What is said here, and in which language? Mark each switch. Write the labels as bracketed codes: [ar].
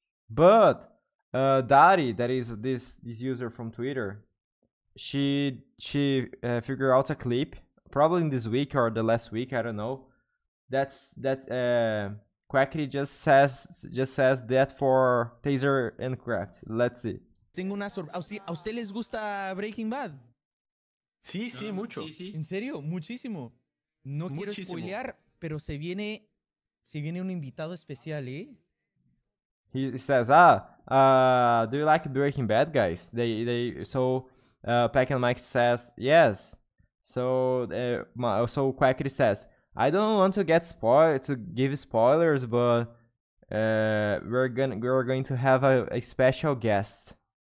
[en] But Dari, that is this user from Twitter, she figured out a clip probably in this week or the last week. I don't know. That's Quackity just says that for Taser and Craft. Let's see. [es] Tengo una ¿A usted les gusta Breaking Bad? Sí, no, mucho. Sí. ¿En serio? Muchísimo. No quiero spoilear, pero se viene un invitado especial, ¿eh? [en] He says, do you like Breaking Bad, guys? So Pack and Mike says, yes. So Quackity says, I don't want to get give spoilers, but we're going to have a special guest.